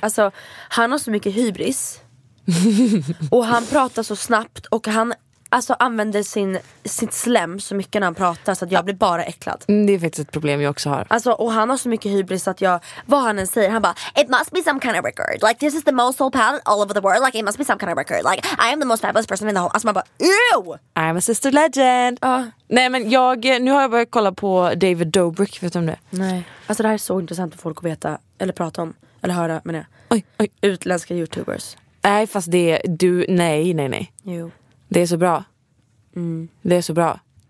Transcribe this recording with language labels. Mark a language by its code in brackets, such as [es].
[sv] Alltså han har så mycket hybris. Och han pratar så snabbt och han alltså använder sitt slem så mycket när han pratar, så att jag blir bara äcklad. Det är faktiskt ett problem jag också har. Alltså, och han har så mycket hybris att jag, vad han än säger, han bara, [en] it must be some kind of record. Like, this is the most old palette all over the world. Like, it must be some kind of record. Like, I am the most fabulous person in the whole. [sv] Alltså man bara, [en] ew! I'm a sister legend. [sv] Nej, men jag, nu har jag börjat kolla på David Dobrik, vet du om det? Nej. Alltså det här är så intressant för folk att veta, eller prata om, eller höra, men jag. Oj. Utländska YouTubers. Nej, fast det är, du, nej. Jo. Det är så bra. Det är så bra.